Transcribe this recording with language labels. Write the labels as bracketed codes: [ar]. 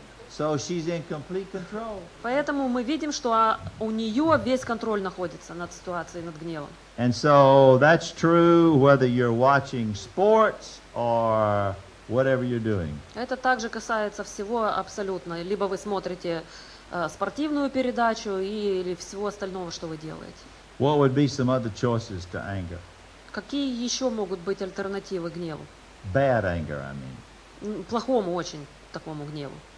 [en] So she's in complete control. [ru] Поэтому мы видим, что у нее весь контроль находится над ситуацией, над гневом. [en] And so that's true whether you're watching sports or whatever you're doing. [ru] Это также касается всего абсолютно. Либо вы смотрите спортивную передачу или всего остального, что вы делаете. [en] What would be some other choices to anger? [ru] Какие еще могут быть альтернативы гневу? [en] Bad anger, I mean. [ru] Плохому очень такому гневу.